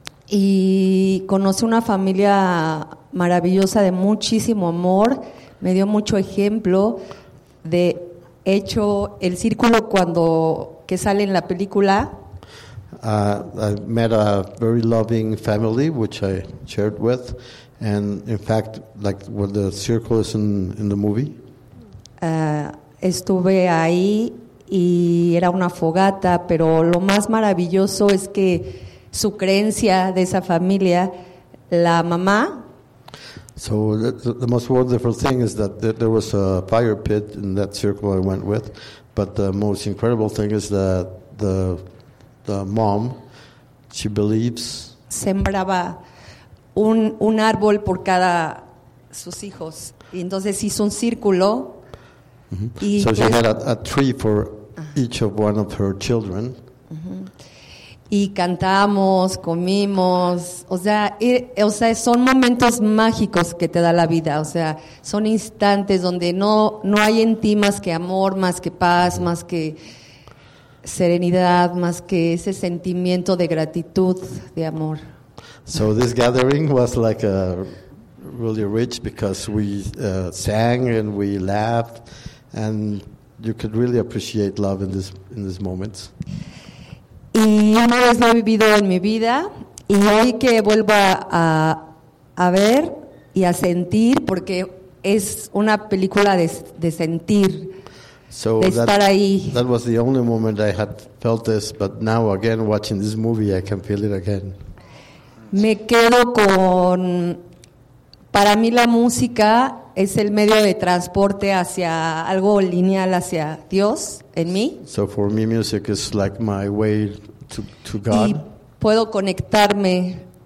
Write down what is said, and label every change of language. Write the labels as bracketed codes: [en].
[es] Y conocí una familia maravillosa de muchísimo amor. Me dio mucho ejemplo. De hecho, el círculo que sale en la película. [en] I met a very loving family, which I shared with, and in fact, like when the circle is in the movie. [es] Estuve ahí y era una fogata, pero lo más maravilloso es que su creencia de esa familia, la mamá. [en] So the most wonderful thing is that there was a fire pit in that circle I went with, but the most incredible thing is that the mom, she believes. [es] Sembraba un árbol por cada sus hijos. Y entonces hizo un círculo. [en] Mm-hmm. Y so she had a tree for each of one of her children. [es] Mm-hmm. Y cantamos, comimos. O sea, son momentos mágicos que te da la vida. O sea, son instantes donde no hay en ti más que amor, más que paz, más que serenidad, más que ese sentimiento de gratitud, de amor. [en] So this gathering was like a really rich because we sang and we laughed and you could really appreciate love in this moment. [es] Y una vez lo he vivido en mi vida y hoy que vuelvo a ver y a sentir porque es una película de sentir. [en] So that was the only moment I had felt this, but now again watching this movie, I can feel it again. [es] Me quedo con, para mí la música es el medio de transporte hacia algo lineal hacia Dios en mí. [en] So for me, music is like my way to God. [es] Y puedo conectarme